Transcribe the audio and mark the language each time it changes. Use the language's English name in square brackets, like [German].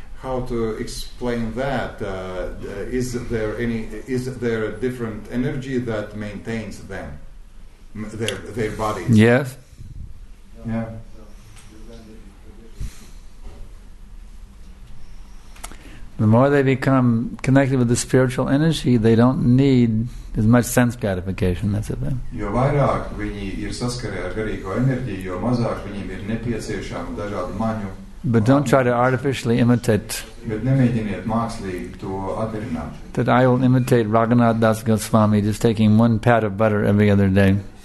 [English] How to explain that? Is there a different energy that maintains them, their bodies? Yes. Yeah. The more they become connected with the spiritual energy, they don't need as much sense gratification. That's it. [Latvian] Jo vairāk viņi ir saskarē ar garīgo enerģiju, jo mazāk viņiem ir nepieciešama dažādu maņu. [English] But don't try to artificially imitate. [Latvian] Bet nemēģiniet mākslīgi to atdarināt. [English] That I will imitate Raghunath Das Goswami just taking one pat of butter every other day.